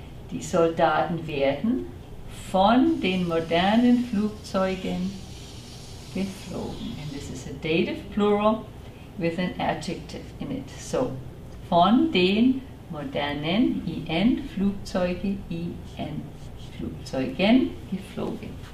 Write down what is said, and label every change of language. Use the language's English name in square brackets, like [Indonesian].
[German] Die Soldaten werden von den modernen Flugzeugen geflogen. [English] And this is a dative plural with an adjective in it. [German] So, von den modernen, en, Flugzeuge, en, Flugzeugen geflogen.